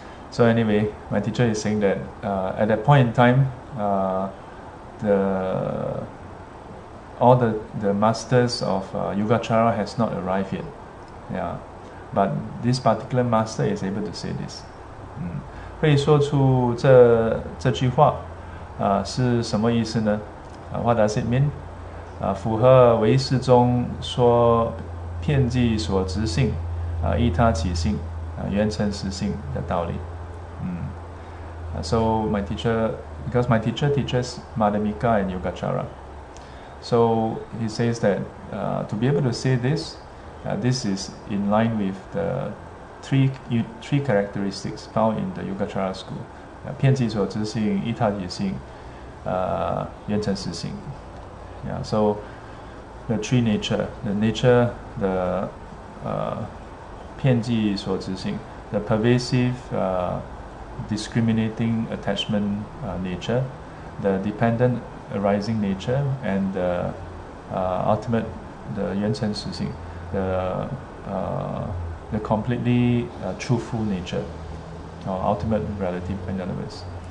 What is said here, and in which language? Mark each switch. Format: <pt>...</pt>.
<en>So anyway, my teacher is saying that at that point in time, the masters of Yogacara has not arrived yet. Yeah, but this particular master is able to say this.</en> <zh>会说出这句话，是什么意思呢？</zh> <en>What does it mean？</en> <zh>符合唯识中说遍计所执性，依他起性，原成实性的道理。</zh> <en>So my teacher, because my teacher teaches Madhyamika and Yogacara, so he says that to be able to say this, this is in line with the three characteristics found in the Yogacara school.</en> <zh>遍计所执性，依他起性，原成实性。</zh> <en>Yeah, so the three nature, the nature, the 遍计所执性, the pervasive discriminating attachment nature, the dependent arising nature, and the ultimate, the 原成实性, the completely truthful nature, or ultimate relative, in other words.</en>